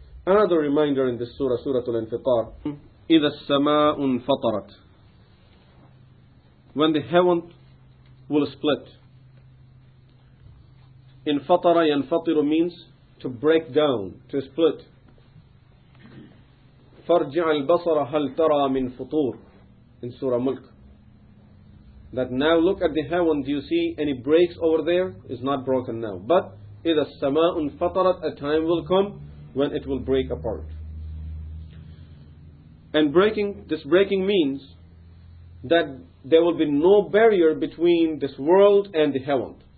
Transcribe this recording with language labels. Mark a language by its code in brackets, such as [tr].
[en] Another reminder in this surah, Surah Al-Infitar. [ar] إِذَا السَّمَاءُ انْفَطَرَتْ. [en] When the heaven will split. [ar] انْفَطَرَ يَنْفَطِرُ [en] means to break down, to split. [ar] فَرْجِعَ الْبَصَرَ هَلْ تَرَى مِنْ فُطُورٍ [en] in Surah Mulk. That now look at the heaven, do you see any breaks over there? It's not broken now. But [ar] إِذَا السَّمَاءُ انْفَطَرَتْ, [en] a time will come when it will break apart. And this breaking means that there will be no barrier between this world and the heaven.